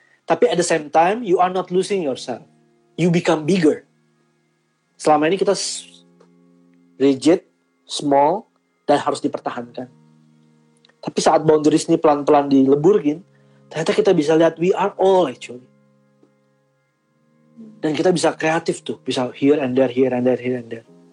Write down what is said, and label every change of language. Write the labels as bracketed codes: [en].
[id] Tapi [en] at the same time, you are not losing yourself. You become bigger. [id] Selama ini kita [en] rigid, small, [id] dan harus dipertahankan. Tapi saat boundaries ini pelan-pelan dileburkin, ternyata kita bisa lihat [en] we are all actually. [id] Dan kita bisa kreatif tuh. Bisa [en] here and there, here and there, here and there.